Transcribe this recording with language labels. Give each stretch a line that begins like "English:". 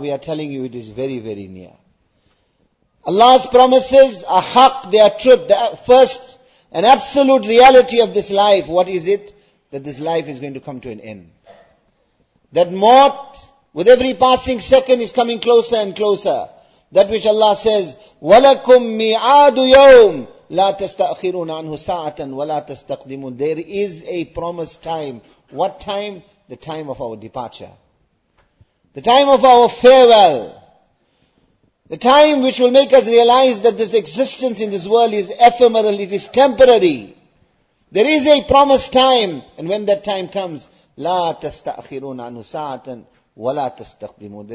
English: We are telling you it is very, very near. Allah's promises are haq, they are truth. The first and absolute reality of this life, what is it? That this life is going to come to an end. That moth, with every passing second, is coming closer and closer. That which Allah says,
Arabic: وَلَكُمْ مِعَادُ يَوْمٍ لَا تَسْتَأْخِرُونَ عَنْهُ سَاعَةً وَلَا تَسْتَقْدِمُونَ.
English: There is a promised time. What time? The time of our departure. The time of our farewell. The time which will make us realize that this existence in this world is ephemeral, it is temporary. There is a promised time, and when that time comes,
Arabic: لَا تَسْتَأْخِرُونَ عَنْهُ سَاعَةً وَلَا تَسْتَقْدِمُونَ.